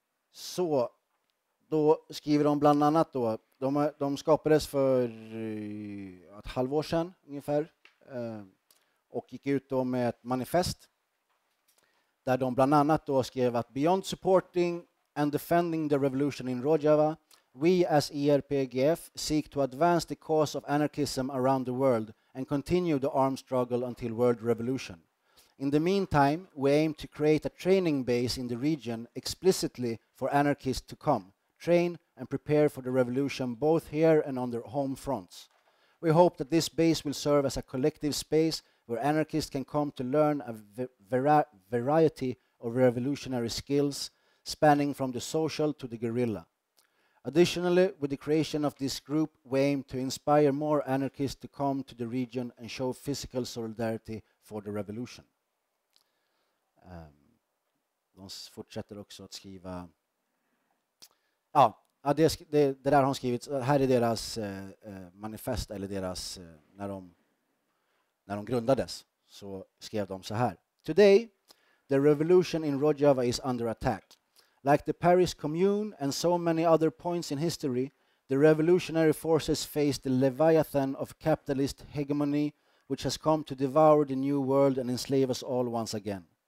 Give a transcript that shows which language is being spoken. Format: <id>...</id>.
<sv>Så då skriver de bland annat då, de skapades för ett halvår sedan ungefär och gick ut då med ett manifest där de bland annat då skrev att</sv> <en>beyond supporting and defending the revolution in Rojava, we as IRPGF seek to advance the cause of anarchism around the world and continue the armed struggle until world revolution. In the meantime, we aim to create a training base in the region explicitly for anarchists to come, train and prepare for the revolution both here and on their home fronts. We hope that this base will serve as a collective space where anarchists can come to learn a variety of revolutionary skills spanning from the social to the guerrilla. Additionally, with the creation of this group, we aim to inspire more anarchists to come to the region and show physical solidarity for the revolution.</en> <sv>De fortsätter också att skriva. Ja, Ja, det där har hon skrivit. Här är deras manifest, eller deras när de grundades, så skrev de så här.</sv> <en>Today, the revolution in Rojava is under attack. Like the Paris Commune and so many other points in history, the revolutionary forces face the leviathan of capitalist hegemony which has come to devour the new world and enslave us all once again.</en>